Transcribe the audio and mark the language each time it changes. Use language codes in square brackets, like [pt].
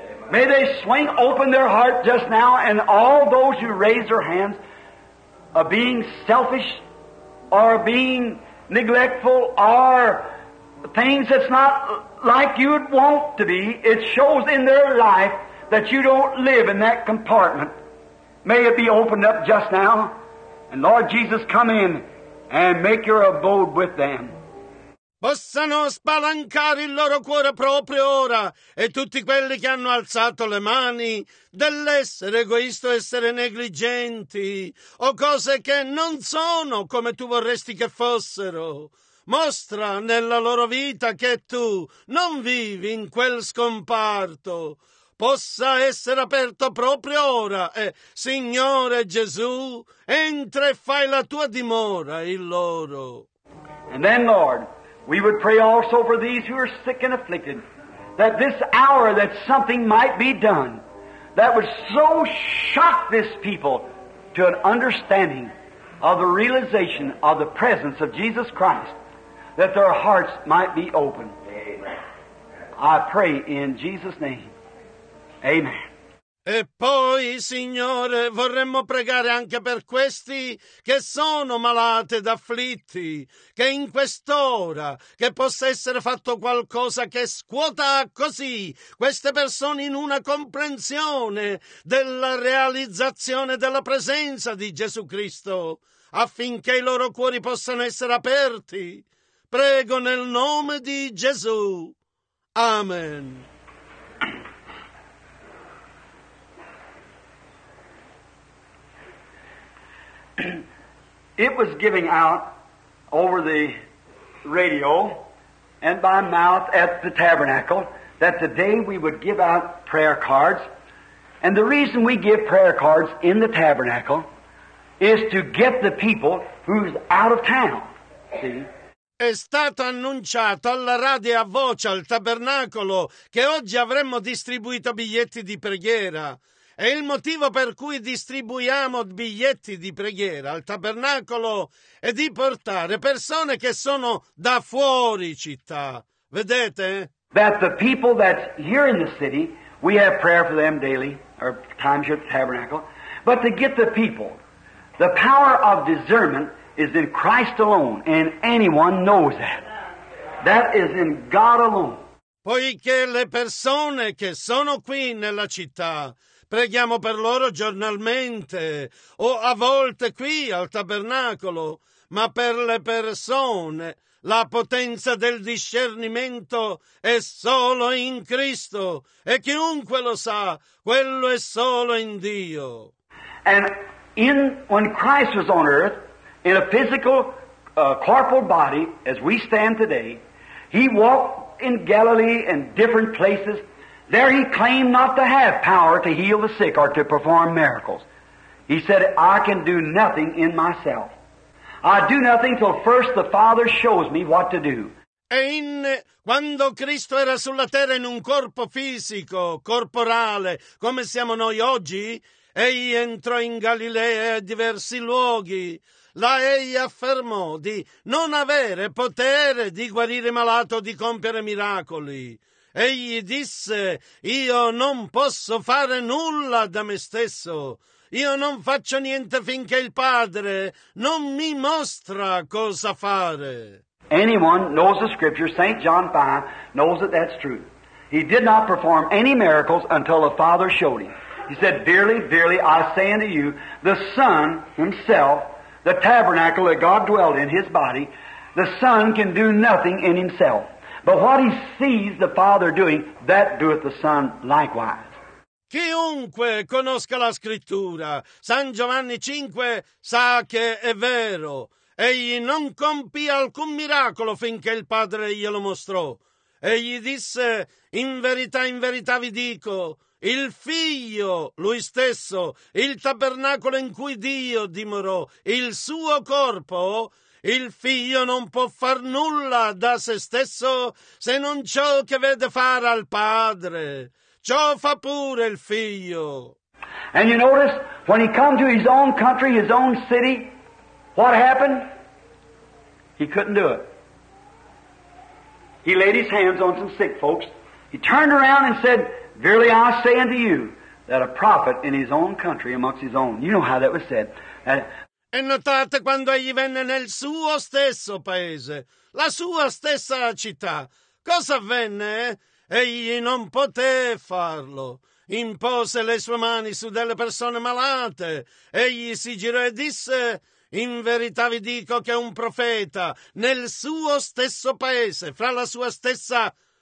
[en] May they swing open their heart just now, and all those who raise their hands are being selfish or being neglectful or things that's not like you'd want to be, it shows in their life that you don't live in that compartment. May it be opened up just now, and Lord Jesus, come in and make your abode with them. [it] Possano spalancare il loro cuore proprio ora, e tutti quelli che hanno alzato le mani dell'essere egoisto, essere negligenti o cose che non sono come tu vorresti che fossero. Mostra nella loro vita che tu non vivi in quel scomparto. Possa essere aperto proprio ora e, Signore Gesù, entra e fai la tua dimora in loro. [en] And then, Lord, we would pray also for these who are sick and afflicted, that this hour that something might be done that would so shock this people to an understanding of the realization of the presence of Jesus Christ, that their hearts might be open. I pray in Jesus' name. Amen. [it] E poi, Signore, vorremmo pregare anche per questi che sono malati ed afflitti, che in quest'ora che possa essere fatto qualcosa che scuota così queste persone in una comprensione della realizzazione della presenza di Gesù Cristo, affinché i loro cuori possano essere aperti. Prego nel nome di Gesù. Amen. [en] It was giving out over the radio and by mouth at the tabernacle that today we would give out prayer cards. And the reason we give prayer cards in the tabernacle is to get the people who's out of town. See? [it] È stato annunciato alla radio a voce al tabernacolo che oggi avremmo distribuito biglietti di preghiera. E il motivo per cui distribuiamo biglietti di preghiera al tabernacolo è di portare persone che sono da fuori città. Vedete? [en] That the people that's here in the city, we have prayer for them daily, or times at the tabernacle. But to get the people, the power of discernment is in Christ alone, and anyone knows that. That is in God alone. [it] Poiché le persone che sono qui nella città, preghiamo per loro giornalmente o a volte qui al tabernacolo, ma per le persone la potenza del discernimento è solo in Cristo e chiunque lo sa, quello è solo in Dio. [en] And in when Christ was on earth in a physical corporal body as we stand today, he walked in Galilee and different places. There he claimed not to have power to heal the sick or to perform miracles. He said, I can do nothing in myself. I do nothing till first the Father shows me what to do. [it] E quando Cristo era sulla terra in un corpo fisico, corporale, come siamo noi oggi, egli entrò in Galilea e diversi luoghi. Là egli affermò di non avere potere di guarire malati o di compiere miracoli. Egli disse, io non posso fare nulla da me stesso. Io non faccio niente finché il Padre non mi mostra cosa fare. [en] Anyone knows the Scripture, St. John 5, knows that that's true. He did not perform any miracles until the Father showed him. He said, "Verily, verily, I say unto you, the Son himself, the tabernacle that God dwelt in his body, the Son can do nothing in himself. But what he sees the Father doing, that doeth the Son likewise." [it] Chiunque conosca la Scrittura, San Giovanni 5, sa che è vero. Egli non compì alcun miracolo finché il Padre glielo mostrò. Egli disse, in verità vi dico, il Figlio, lui stesso, il tabernacolo in cui Dio dimorò, il suo corpo, il Figlio non può far nulla da se stesso se non ciò che vede fare al Padre. Ciò fa pure il Figlio. [en] And you notice, when he come to his own country, his own city, what happened? He couldn't do it. He laid his hands on some sick folks. He turned around and said, "Verily I say unto you, that a prophet in his own country amongst his own." You know how that was said. [it] E notate quando egli venne nel suo stesso paese, la sua stessa città. Cosa avvenne? Egli non poté farlo. Impose le sue mani su delle persone malate. Egli si girò e disse, in verità vi dico che un profeta nel suo stesso paese, fra la sua stessa...